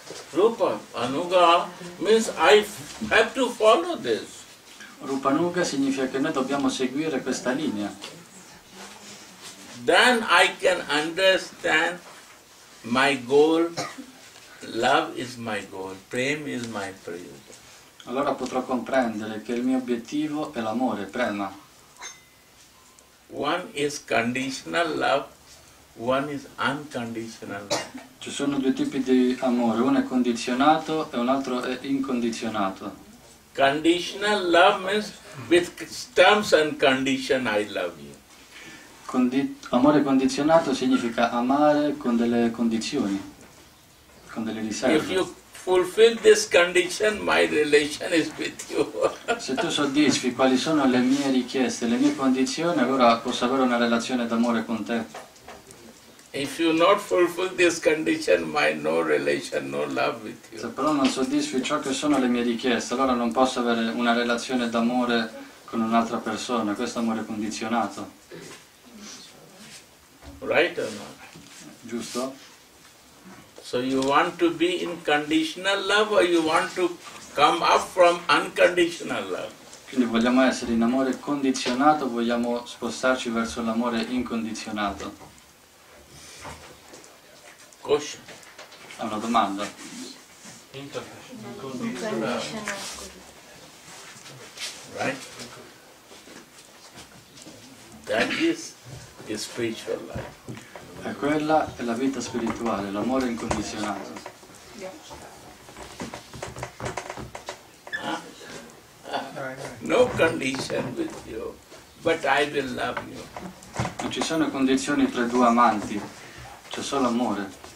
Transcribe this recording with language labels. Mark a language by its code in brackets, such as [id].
[en] Rupa Anuga means I have to follow this. [it] Rupa Anuga significa che noi dobbiamo seguire questa linea. [en] Then I can understand my goal. Love is my goal. Prem is my prayojana. [it] Allora potrò comprendere che il mio obiettivo è l'amore, prema. [en] One is conditional love, one is unconditional love. [it] Ci sono due tipi di amore, uno è condizionato e un altro è incondizionato. [en] Conditional love means with terms and condition I love you. [it] Amore condizionato significa amare con delle condizioni, con delle riserve. [en] If you fulfill this condition, my relation is with you. [it] Se tu soddisfi quali sono le mie richieste, le mie condizioni, allora posso avere una relazione d'amore con te. [en] If you not fulfill this condition, my no relation, no love with you. [it] Se però non soddisfi ciò che sono le mie richieste, allora non posso avere una relazione d'amore con un'altra persona, questo amore condizionato. [en] Right or not? [it] Giusto? [en] So you want to be in conditional love or you want to come up from unconditional love? [it] Quindi vogliamo essere in amore condizionato, vogliamo spostarci verso l'amore incondizionato? [en] Question. [it] È una domanda. [en] Right? That is spiritual life. [it] E quella è la vita spirituale, l'amore incondizionato. [en] No condition with you, but I will love you. [it] Non ci sono condizioni tra due amanti, c'è solo amore.